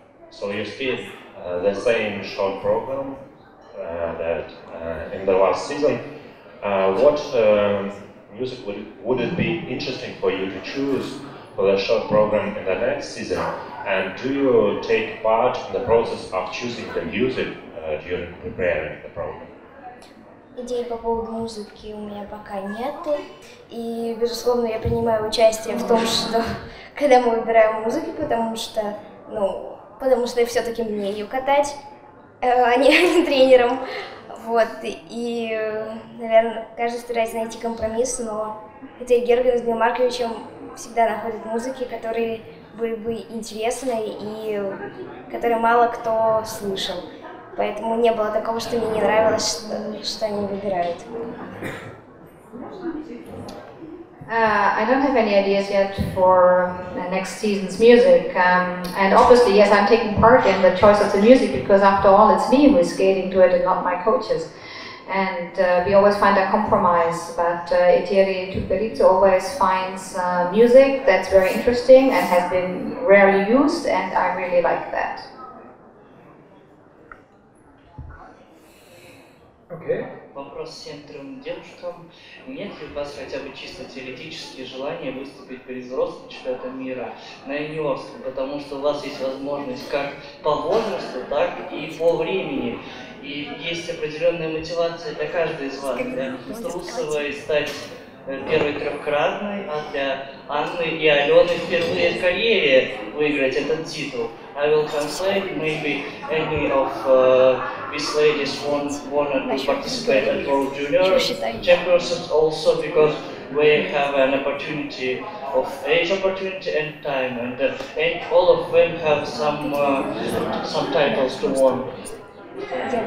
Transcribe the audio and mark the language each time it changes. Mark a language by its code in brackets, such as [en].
[en] So you see the same short program that in the last season. What music would it be interesting for you to choose for the short program in the next season? And do you take part in the process of choosing the music during preparing the program? [ru] Идей по поводу музыки у меня пока нет. И, безусловно, я принимаю участие в том, что когда мы выбираем музыку, потому что все-таки мне ее катать, а не тренером. Вот. И, наверное, каждый старается найти компромисс, но хотя Герген с Дмитрием Марковичем всегда находят музыки, которые были бы интересны и которые мало кто слышал. Поэтому не было такого, что мне не нравилось, что они выбирают. [en] I don't have any ideas yet for the next season's music. And obviously, yes, I'm taking part in the choice of the music because after all, it's me who is skating to it and not my coaches. And we always find a compromise, but Itieri Tuperizzo always finds music that's very interesting and has been rarely used, and I really like that. [ru] Вопрос всем трем девушкам. Нет ли у вас хотя бы чисто теоретически желание выступить перед взрослым чемпионатом мира на юниорском? Потому что у вас есть возможность как по возрасту, так и по времени. И есть определенная мотивация для каждой из вас. Для Трусовой стать первой трехкратной, а для Анны и Алены впервые в карьере выиграть этот титул. [en] I will translate. Maybe any of these ladies wanted to participate at World Junior Championships also because we have an opportunity of age opportunity and time, and all of them have some titles to win.